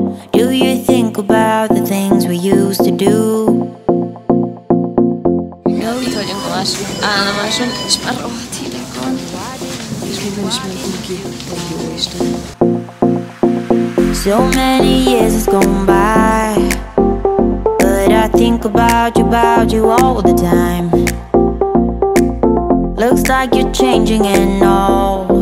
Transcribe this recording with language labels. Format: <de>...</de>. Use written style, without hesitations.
<en>Do you think about the things we used to do?</en> <hu>Itt vagyunk a második állomáson, és már rohadt hideg van. És miben is mentünk ki? Jó Isten.</hu> <en>So many years has gone by, but I think about you all the time. Looks like you're changing and all.</en>